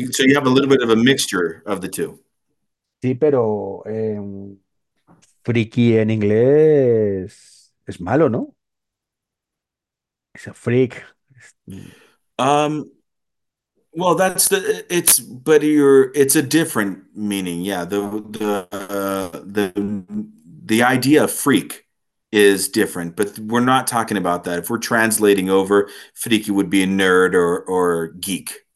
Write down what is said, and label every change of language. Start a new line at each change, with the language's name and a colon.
English: So you have a little bit of a mixture of the two.
Spanish: Sí, pero friki en inglés es malo, ¿no? Es
English: a freak. Well, that's the it's but you're it's a different meaning. Yeah, the idea of freak is different, but we're not talking about that. If we're translating over, freaky would be a nerd or geek.